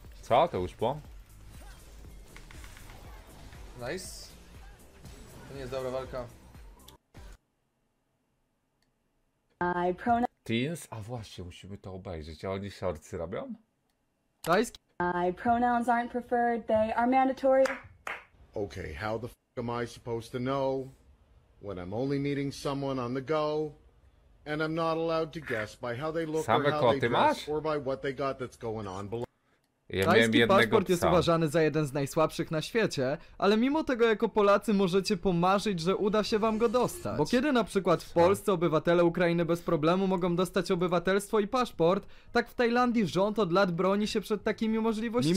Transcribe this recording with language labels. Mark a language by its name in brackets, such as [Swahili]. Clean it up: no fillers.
[Polish] Co? To już było? Nice. To nie jest dobra walka. [English] Teens? [Polish] A właśnie, musimy to obejrzeć. A oni shortsy robią? Tajski. [English] My pronouns aren't preferred, they are mandatory. Okay, how the f*** am I supposed to know when I'm only meeting someone on the go and I'm not allowed to guess by how they look same or how they [Polish] masz? [English] Dress or by what they got that's going on below. [Polish] Tajski paszport jest uważany za jeden z najsłabszych na świecie, ale mimo tego jako Polacy możecie pomarzyć, że uda się wam go dostać. Bo kiedy na przykład w Polsce obywatele Ukrainy bez problemu mogą dostać obywatelstwo i paszport, tak w Tajlandii rząd od lat broni się przed takimi możliwościami.